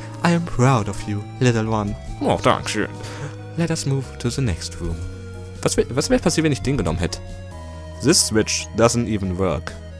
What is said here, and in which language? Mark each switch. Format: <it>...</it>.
<en>I am proud of you, little one.</en> <de>Oh, danke schön.</de> <en>Let us move to the next room.</en> <de>Was wäre passiert, wenn ich den genommen hätte?</de> <en>This switch doesn't even work.</en>